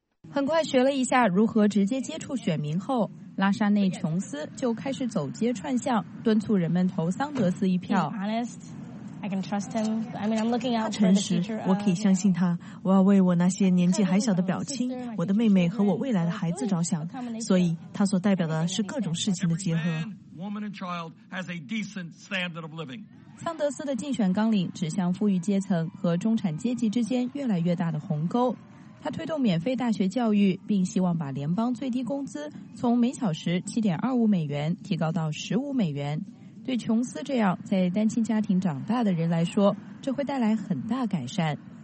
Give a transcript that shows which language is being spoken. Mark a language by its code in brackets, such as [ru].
[zh] 很快学了一下如何直接接触选民后，拉沙内·琼斯就开始走街串巷，敦促人们投桑德斯一票。 [en] I can trust him. I mean, I'm looking out for the future. [zh] 他诚实，我可以相信他。我要为我那些年纪还小的表亲、我的妹妹和我未来的孩子着想，所以他所代表的是各种事情的结合。 [en] Woman and child has a decent standard of living. [zh] 桑德斯的竞选纲领指向富裕阶层和中产阶级之间越来越大的鸿沟。他推动免费大学教育，并希望把联邦最低工资从每小时7.25美元提高到15美元。对琼斯这样在单亲家庭长大的人来说，这会带来很大改善。